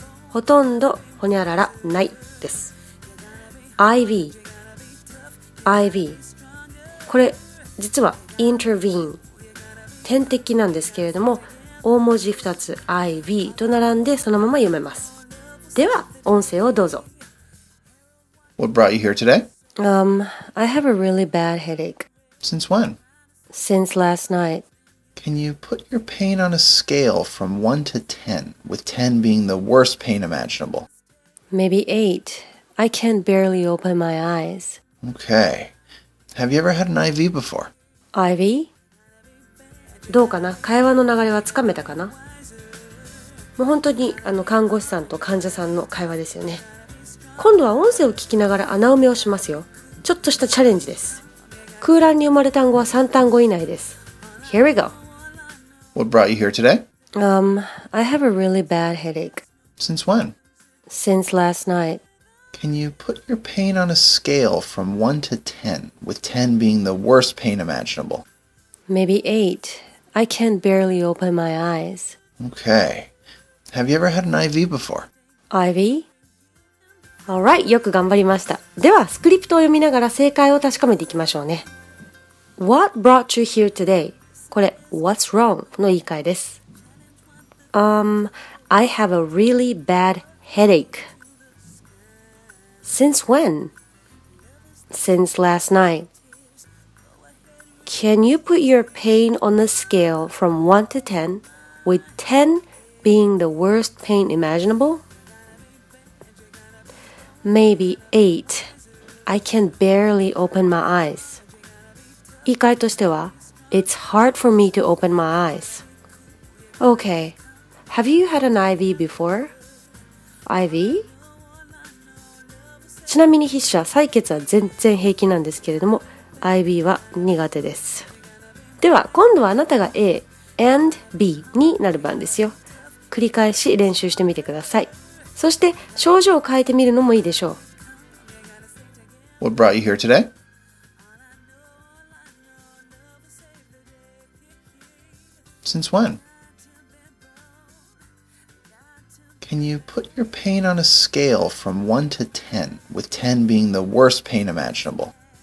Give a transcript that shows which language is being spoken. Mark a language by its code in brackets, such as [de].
[ja] ほとんど、ほにゃららないです。 [en] IV. IV. [ja] これ、実は intervene. 点滴なんですけれども、大文字2つ IV と並んでそのまま読めます。では、音声をどうぞ。 [en] What brought you here today? I have a really bad headache. Since when? Since last night. Can you put your pain on a scale from 1 to 10, with 10 being the worst pain imaginable? Maybe 8. I can barely open my eyes. Okay. Have you ever had an IV before? IV? [ja] どうかな? 会話の流れはつかめたかな?もう本当に看護師さんと患者さんの会話ですよね。今度は音声を聞きながら穴埋めをしますよ。ちょっとしたチャレンジです。空欄に生まれた単語は3単語以内です。 [en] Here we go! What brought you here today? I have a really bad headache. Since when? Since last night. Can you put your pain on a scale from 1 to 10, with 10 being the worst pain imaginable? Maybe 8. I can barely open my eyes. Okay. Have you ever had an IV before? IV? All right, [ja] よく頑張りました。では、スクリプトを読みながら正解を確かめていきましょうね。 [en] What brought you here today? [ja] これ、 [en] What's wrong? [ja] の言い換えです。 [en] I have a really bad headache. Since when? Since last night. Can you put your pain on the scale from 1 to 10, with 10 being the worst pain imaginable? Maybe 8. I can barely open my eyes. [ja] 言い換えとしては、 [en] It's hard for me to open my eyes. Okay. Have you had an IV before? IV? [ja] ちなみに筆者、採血は全然平気なんですけれども、IV は苦手です。では、今度はあなたが A and B になる番ですよ。繰り返し練習してみてください。そして、症状を変えてみるのもいいでしょう。 [en] What brought you here today? Since when? Can you put your pain on a scale from 1 to 10, with 10 being the worst pain imaginable?